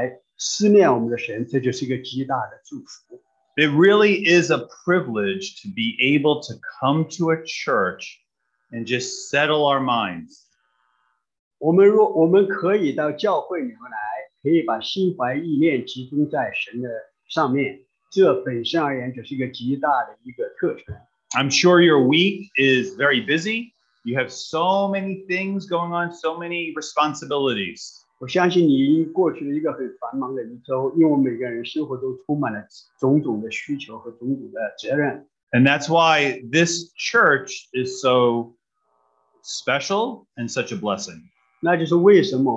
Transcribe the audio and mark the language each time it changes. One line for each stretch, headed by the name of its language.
Chinese: 我觉得我们能够到这里来聚集，并且来思念我们的神，这就是一个极大的祝福。
English: It really is a privilege to be able to come to a church and just settle our minds.
Chinese: 我们可以到教会里面来，可以把心怀意念集中在神的上面。
English: I'm sure your week is very busy. You have so many things going on, so many responsibilities. And that's why this church is so special and such a blessing.